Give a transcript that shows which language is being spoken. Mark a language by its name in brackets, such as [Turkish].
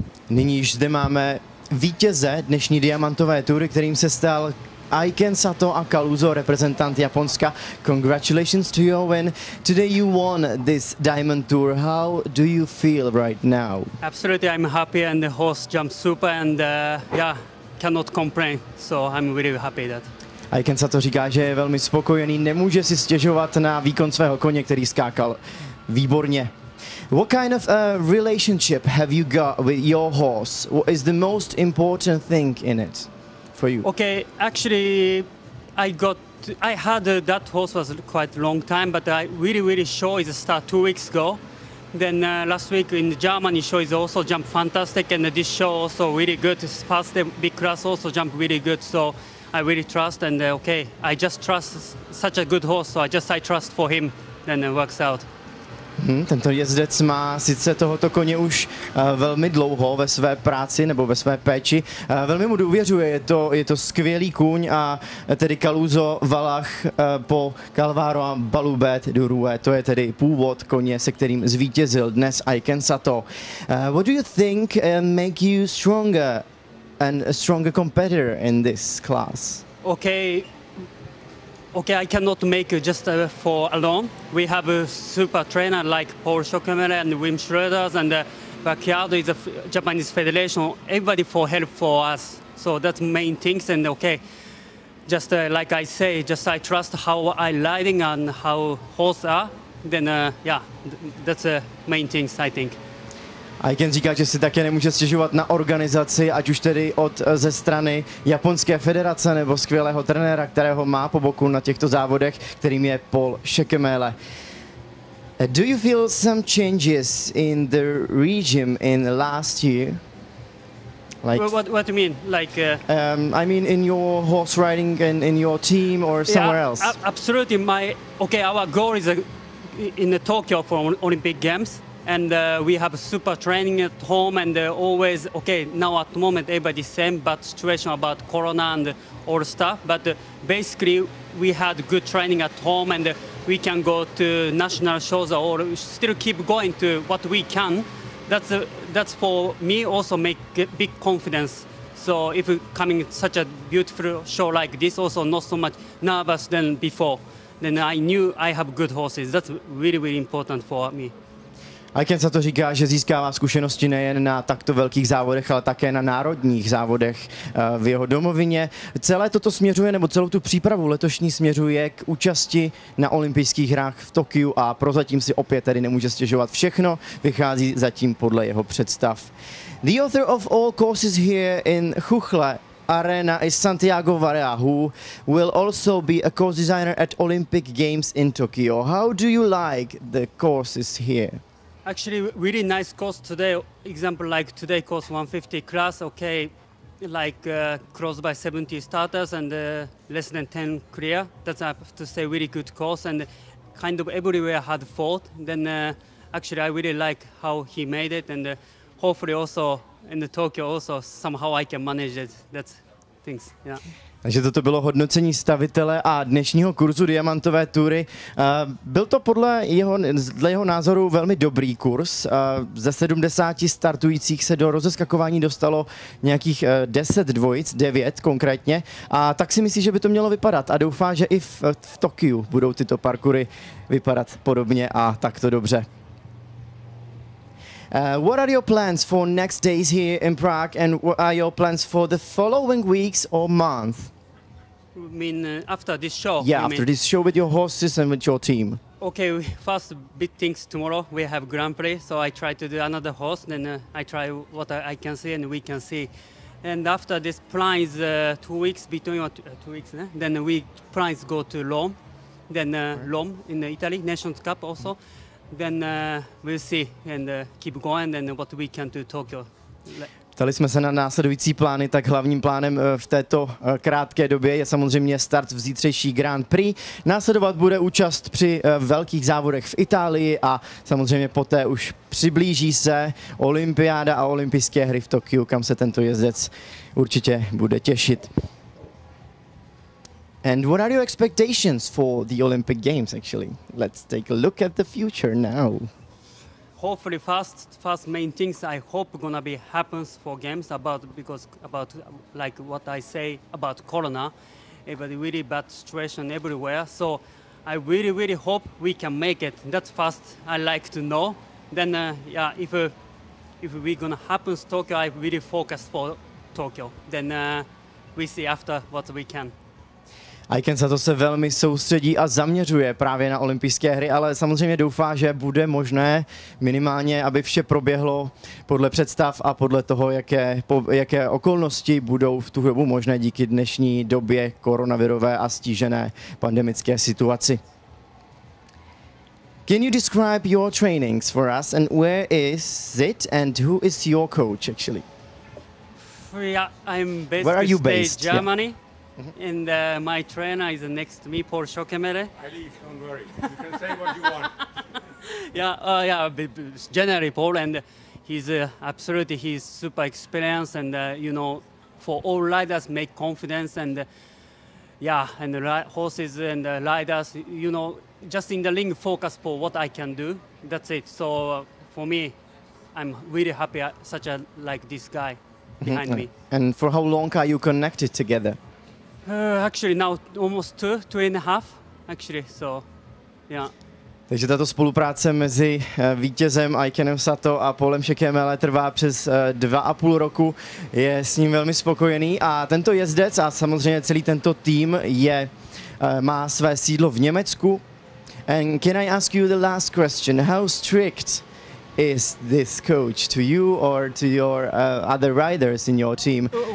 [Czech] Nyní již zde máme vítěze dnešní diamantové tury, kterým se stal Eiken, Sato a Kaluzo, reprezentant Japonska. [English] Congratulations to your win. Today you won this diamond tour. How do you feel right now? Absolutely, I'm happy and the horse jumped super and yeah, cannot complain. So I'm really happy that. [Czech] Eiken Sato říká, že je velmi spokojený, nemůže si stěžovat na výkon svého koně, který skákal výborně. [English] What kind of a relationship have you got with your horse? What is the most important thing in it for you? Okay, actually, I had that horse was quite long time, but I really, really show is start 2 weeks ago. Then last week in the Germany show is also jump fantastic, and this show also really good. It's past the big class also jump really good. So I really trust, and okay, I just trust such a good horse. So I trust for him, then it works out. [Czech] Tento jezdec má sice tohoto koně už velmi dlouho ve své práci nebo ve své péči. Velmi mu důvěřuje, je to skvělý kůň a tedy Kaluzo Valach po Calvaro a Balubet du Rue. To je tedy původ koně, se kterým zvítězil dnes Eiken Sato. [English] What do you think make you stronger and a stronger competitor in this class? Okay, I cannot make it just for alone. We have a super trainer like Paul Schockemere and Wim Schroeders, and Bakiado is a Japanese federation. Everybody for help for us. So that's main things. And okay, just like I say, just I trust how I riding and how horse are. Then yeah, that's the main things I think. [Czech] Eiken říká, že si také nemůže stěžovat na organizaci, ať už tedy ze strany Japonské federace nebo skvělého trenéra, kterého má po boku na těchto závodech, kterým je Paul Schockemere. [English] Do you feel some changes in the regime in the last year? Like, what do you mean? Like, I mean, in your horse riding and in your team or somewhere yeah, else? Absolutely. Our goal is in the Tokyo for Olympic Games. And we have super training at home and always, okay, now at the moment everybody same bad situation about corona and all stuff, but basically we had good training at home and we can go to national shows or still keep going to what we can. That's for me also make big confidence. So if coming such a beautiful show like this, also not so much nervous than before, then I knew I have good horses. That's really, really important for me. [Czech] Eiken Sato říká, že získává zkušenosti nejen na takto velkých závodech, ale také na národních závodech v jeho domovině. Celé toto směřuje, nebo celou tu přípravu letošní směřuje k účasti na olympijských hrách v Tokiu a prozatím si opět tedy nemůže stěžovat. Všechno vychází zatím podle jeho představ. [English] The author of all courses here in Chuchle Arena is Santiago Varela, who will also be a course designer at Olympic Games in Tokyo. How do you like the courses here? Actually, really nice course today. Example like today course 150 class, okay, like close by 70 starters and less than 10 clear. That's, I have to say, really good course and kind of everywhere had fault. Then actually, I really like how he made it and hopefully also in the Tokyo also somehow I can manage it. That's things, yeah. [Czech] Takže toto bylo hodnocení stavitele a dnešního kurzu diamantové tury. Byl to podle jeho názoru velmi dobrý kurz. Ze 70 startujících se do rozeskakování dostalo nějakých 10 dvojic, 9 konkrétně. A tak si myslí, že by to mělo vypadat a doufá, že i v Tokiu budou tyto parkury vypadat podobně a takto dobře. [English] What are your plans for next days here in Prague, and what are your plans for the following weeks or month? You mean after this show? Yeah, after this show with your horses and with your team. Okay, first big things tomorrow. We have Grand Prix, so I try to do another horse, then I try what I can see and we can see. And after this plan is 2 weeks, between 2 weeks, né? Then we plan is go to Rome, then Rome in Italy, Nations Cup also. Mm-hmm. Then we'll see and keep going and what we can do Tokyo. [Czech] Ptali jsme se na následující plány, tak hlavním plánem v této krátké době je samozřejmě start v zítřejší Grand Prix. Následovat bude účast při velkých závodech v Itálii a samozřejmě poté už přiblíží se olympiáda a olympijské hry v Tokiu, kam se tento jezdec určitě bude těšit. [English] And what are your expectations for the Olympic Games, actually? Let's take a look at the future now. hopefully fast main things I hope gonna be happens for games because like what I say about Corona, it was a really bad situation everywhere. So I really, really hope we can make it. That's fast I like to know. Then if we gonna happens Tokyo, I really focus for Tokyo. Then we see after what we can. [Czech] Eiken Sato se velmi soustředí a zaměřuje právě na olympijské hry, ale samozřejmě doufá, že bude možné minimálně, aby vše proběhlo podle představ a podle toho, jaké okolnosti budou v tu dobu možné díky dnešní době koronavirové a stížené pandemické situaci. [English] Can you describe your trainings for us and where is it and who is your coach actually? Yeah, I'm based, where are you based? Germany. Yeah. Mm-hmm. And my trainer is next to me, Paul Schokemere. Ali, don't worry. You can say what you want. yeah, generally Paul, and he's absolutely, he's super experienced, and you know, for all riders, make confidence, and yeah, and the horses and the riders, you know, just in the ring, focus for what I can do. That's it. So for me, I'm really happy such a like this guy behind mm-hmm. me. And for how long are you connected together? Actually now almost two and a half, actually, so, yeah. [Czech] Takže tato spolupráce mezi vítězem Eikenem Sato a Paulem Schokemele trvá přes 2,5 roku, je s ním velmi spokojený a tento jezdec a samozřejmě celý tento tým má své sídlo v Německu. [English] And can I ask you the last question, how strict is this coach to you or to your other riders in your team?